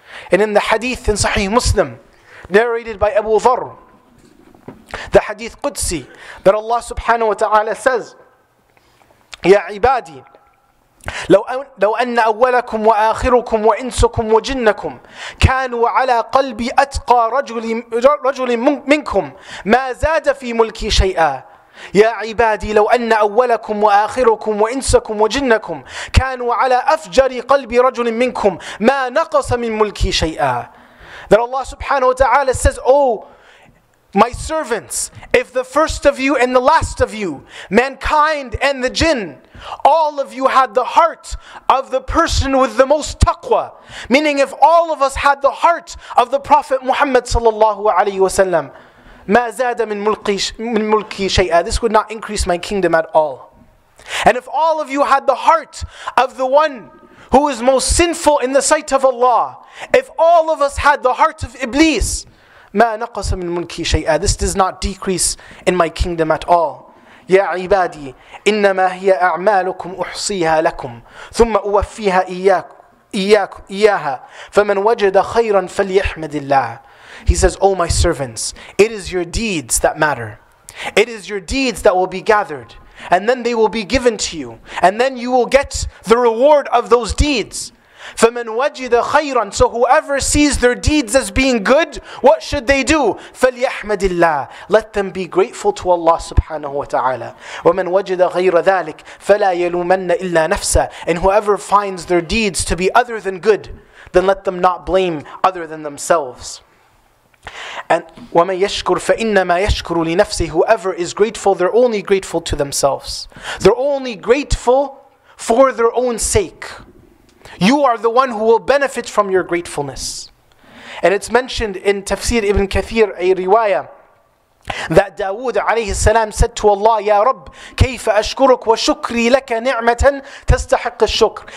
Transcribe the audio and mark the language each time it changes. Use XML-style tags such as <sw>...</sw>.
<en>And in the hadith in Sahih Muslim, narrated by Abu Dharr, the hadith Qudsi, that Allah subhanahu wa ta'ala says, Ya ibadi,</en> <ar>لو أن أولكم وآخركم وإنسكم وجنكم كانوا على قلبي أتقى رجل منكم ما زاد في ملكي شيئا. يا عبادي لو أن أولكم وآخركم وإنسكم وجنكم كانوا على أفجر قلب رجل منكم ما نقص من ملكي شيئا.</ar> <en>That Allah subhanahu wa ta'ala says, my servants, if the first of you and the last of you, mankind and the jinn, all of you had the heart of the person with the most taqwa, meaning if all of us had the heart of the Prophet Muhammad sallallahu alayhi wa sallam,</en> <ar>ما زاد من ملكي شيئا,</ar> <en>this would not increase my kingdom at all. And if all of you had the heart of the one who is most sinful in the sight of Allah, if all of us had the heart of Iblis,</en> <ar>ما نقص من ملكي شيئا,</ar> <en>this does not decrease in my kingdom at all.</en> <ar>يا عبادي إنما هي أعمالكم أحصيها لكم ثم أوفيها إياها فمن وجد خيرا فليحمد الله.</ar> <en>He says, oh my servants, it is your deeds that matter. It is your deeds that will be gathered, and then they will be given to you, and then you will get the reward of those deeds.</en> <ar>فَمَنْ وَجِدَ خَيْرًا.</ar> <en>So whoever sees their deeds as being good, what should they do?</en> <ar>فَلْيَحْمَدِ اللَّهِ.</ar> <en>Let them be grateful to Allah subhanahu wa ta'ala.</en> <ar>وَمَنْ وَجِدَ غَيْرَ ذَلِكَ فَلَا يَلُومَنَّ إِلَّا نَفْسَ.</ar> <en>And whoever finds their deeds to be other than good, then let them not blame other than themselves.</en> <ar>And وَمَنْ يَشْكُرْ فَإِنَّمَا يَشْكُرُ لِنَفْسِهِ.</ar> <en>Whoever is grateful, they're only grateful to themselves. They're only grateful for their own sake. You are the one who will benefit from your gratefulness. And it's mentioned in Tafsir Ibn Kathir, a riwayah, that Dawood alayhi salam said to Allah, Ya Rabb,</en> <ar>كيف أشكرك وشكري لك نعمة تستحق الشكر.</ar>